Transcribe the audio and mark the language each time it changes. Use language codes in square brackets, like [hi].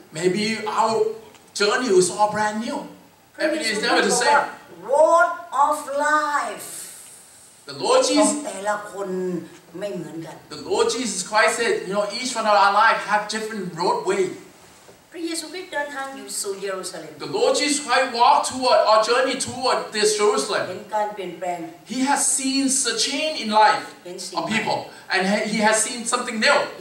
[en] maybe our journey is all brand new everything is never the same road of life the Lord Jesus [th] แต่ละคนไม่เหมือนกัน [en] the Lord Jesus Christ said you know each one of our life have different roadway [th] พระเยซูคริสต์เดินทางอยู่สู่เยรูซาเล็ม [en] the Lord Jesus Christ walked toward our journey toward this Jerusalem [th] เห็นการเปลี่ยนแปลง [en] he has seen a change in life of peopleAnd he has seen something new.